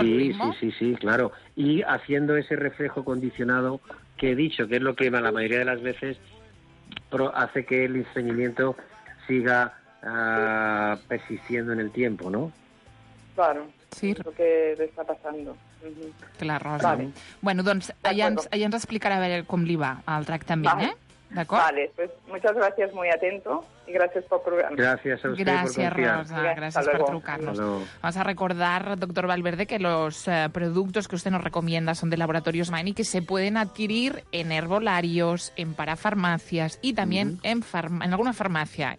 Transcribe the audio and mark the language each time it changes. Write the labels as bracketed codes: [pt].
[es] sí, el ritmo. Sí, claro. Y haciendo ese reflejo condicionado que he dicho, que es lo que la mayoría de las veces hace que el estreñimiento siga persistiendo en el tiempo, ¿no? Claro, sí. Es lo que está pasando. Uh-huh. Claro, Rosa. Vale. [ca] Bueno, doncs, allà ens explicarà a veure com li va el tractament, vale. D'acord? [es] Vale, pues muchas gracias, muy atento, y gracias por programar. Gracias a usted. Gracias, por confiar. Rosa, gracias por trucarnos. Vamos a recordar, doctor Valverde, que los productos que usted nos recomienda son de Laboratorios Maine y que se pueden adquirir en herbolarios, en parafarmacias y también en alguna farmacia.